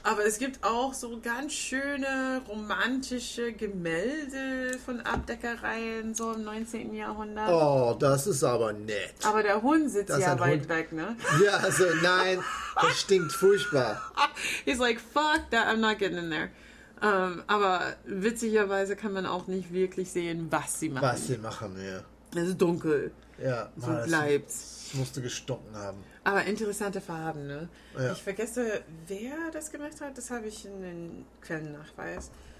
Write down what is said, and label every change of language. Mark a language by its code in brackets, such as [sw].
[de] Aber es gibt auch so ganz schöne, romantische Gemälde von Abdeckereien so im 19. Jahrhundert. Oh, das ist aber nett. Aber der Hund sitzt das ja weit Hund. Weg, ne? Ja, also nein, das stinkt furchtbar. [en] He's like, fuck that, I'm not getting in there. [de] Aber witzigerweise kann man auch nicht wirklich sehen, was sie machen. Was sie machen, ja. Es ist dunkel. Ja, so bleibt's. Das musste gestunken haben. Aber interessante Farben, ne? Ja. Ich vergesse, wer das gemacht hat. Das habe ich in den Quellennachweis.